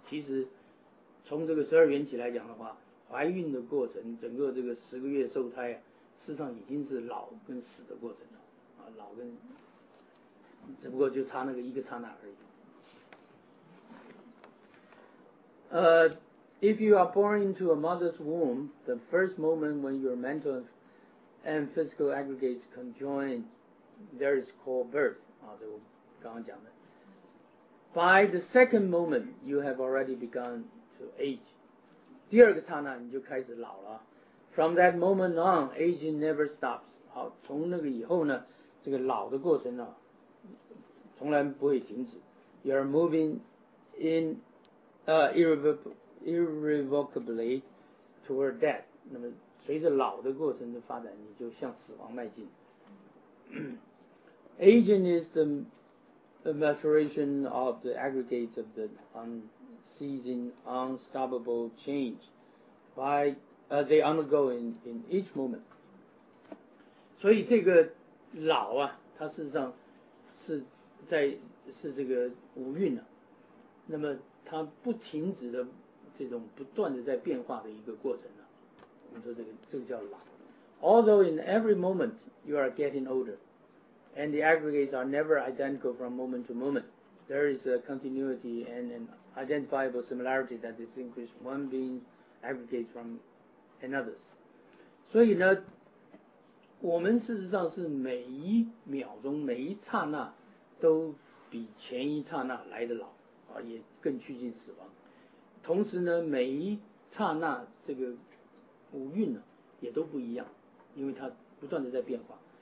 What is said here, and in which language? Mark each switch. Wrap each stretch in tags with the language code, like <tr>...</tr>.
<zh>其实从这个十二缘起来讲的话，怀孕的过程，整个这个十个月受胎啊。事实上已经是老跟死的过程了，啊，老跟，只不过就差那个一个刹那而已。</zh> <en>If you are born into a mother's womb, the first moment when your mental and physical aggregates conjoin, there is called birth.</en> <zh>啊，这我刚刚讲的。</zh> <en>By the second moment, you have already begun to age.</en> <zh>第二个刹那你就开始老了。</zh> <en>From that moment on, aging never stops.</en> <zh>好，从那个以后呢，这个老的过程呢、啊，从来不会停止。</zh> <en>You are moving in irrevocably toward death.</en> <zh>那么随着老的过程的发展，你就向死亡迈进。</zh> <en>Aging is the maturation of the aggregates of the unceasing, unstoppable change by they undergo in each moment.</en> <zh>所以这个老啊，它事实上是在是这个无蕴啊，那么它不停止的这种不断的在变化的一个过程啊，我们说这个叫老。</zh> <en>Although in every moment you are getting older, and the aggregates are never identical from moment to moment, there is a continuity and an identifiable similarity that distinguishes one being's aggregates from and others.</en> <zh>所以呢，我们事实上是每一秒钟每一刹那都比前一刹那来得老、啊、也更趋近死亡。同时呢，每一刹那这个五蕴呢也都不一样，因为它不断的在变化。</zh>